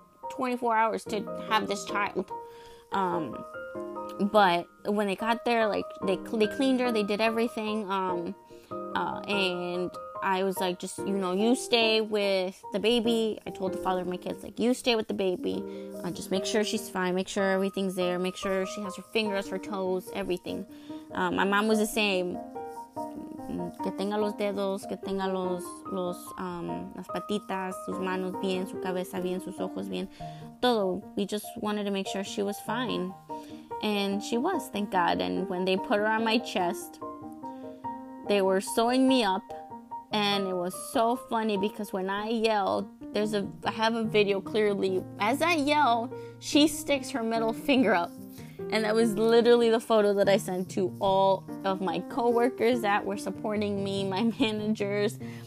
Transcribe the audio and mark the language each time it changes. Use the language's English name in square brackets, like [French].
[English] 24 hours to have this child. But when they got there, like, they cleaned her, they did everything, and I was like, just, you know, you stay with the baby. I told the father of my kids, like, you stay with the baby, just make sure she's fine, make sure everything's there, make sure she has her fingers, her toes, everything. My mom was the same. [Spanish] Que tenga los dedos, que tenga los las patitas, sus manos bien, su cabeza bien, sus ojos bien, todo. [English] We just wanted to make sure she was fine. And she was, thank God. And when they put her on my chest, they were sewing me up. And it was so funny because when I yell, I have a video clearly. As I yell, she sticks her middle finger up. And that was literally the photo that I sent to all of my coworkers that were supporting me, my managers.